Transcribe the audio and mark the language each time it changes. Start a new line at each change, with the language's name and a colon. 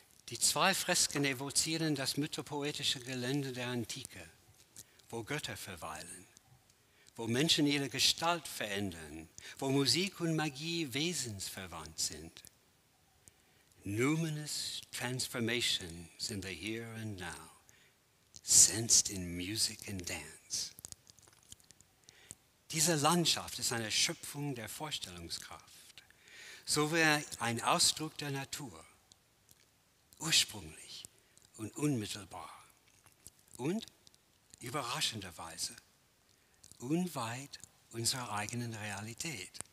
German: Die zwei Fresken evozieren das mythopoetische Gelände der Antike, wo Götter verweilen, wo Menschen ihre Gestalt verändern, wo Musik und Magie wesensverwandt sind.
English: Numinous transformations in the here and now, sensed in music and dance.
German: Diese Landschaft ist eine Schöpfung der Vorstellungskraft, so wie ein Ausdruck der Natur, ursprünglich und unmittelbar und überraschenderweise unweit unserer eigenen Realität.